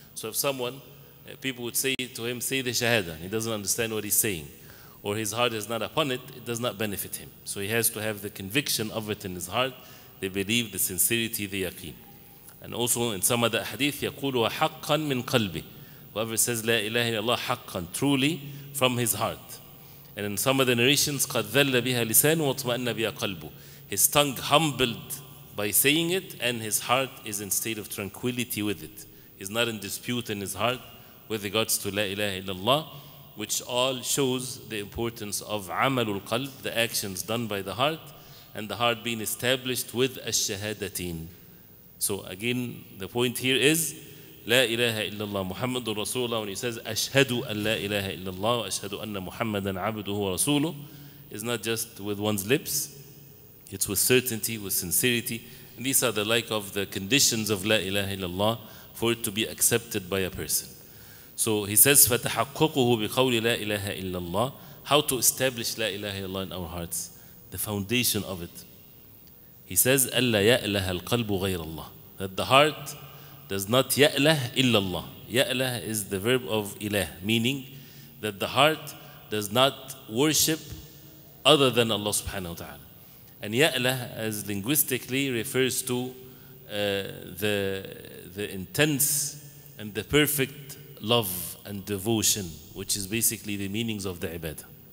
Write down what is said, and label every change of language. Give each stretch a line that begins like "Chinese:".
English: So if someone, people would say to him, say the shahada, he doesn't understand what he's saying, or his heart is not upon it, it does not benefit him. So he has to have the conviction of it in his heart, they believe the sincerity, the yaqeen. And also in some of the hadith,
Arabic: يَقُولُهَا حَقًّا مِنْ قَلْبِ.
English: Whoever says
Arabic: لَا إِلَهَ إِلَّا اللَّهُ حَقًّا,
English: truly from his heart. And in some of the narrations,
Arabic: قَدْ ذَلَّ بِهَا لِسَانُ وَطْمَأَنَّ بِهَا قَلْبُ.
English: His tongue humbled by saying it, and his heart is in state of tranquility with it. He's not in dispute in his heart with regards to La ilaha illallah, which all shows the importance of amalul qalb, the actions done by the heart, and the heart being established with ash-shahadateen. So again, the point here is La ilaha illallah Muhammadur Rasulullah. When he says ashhadu an la ilaha illallah wa ashhadu anna Muhammadan abduhu wa rasuluh, is not just with one's lips, it's with certainty, with sincerity. And these are the like of the conditions of La ilaha illallah for it to be accepted by a person. So he says,
Arabic: فَتَحَقَّقُهُ بِقَوْلِ لَا إِلَهَ إِلَّا اللَّهِ.
English: How to establish La ilaha illallah in our hearts, the foundation of it. He says,
Arabic: أَلَّا يَأْلَهَ الْقَلْبُ غَيْرَ اللَّهِ.
English: That the heart does not
Arabic: يَأْلَهَ إِلَّا اللَّهِ.
English: يَأْلَهَ is the verb of إِلَهَ, meaning that the heart does not worship other than Allah subhanahu wa ta'ala. And يَأْلَهَ as linguistically refers to the intense and the perfect love and devotion, which is basically the meanings of the ibadah.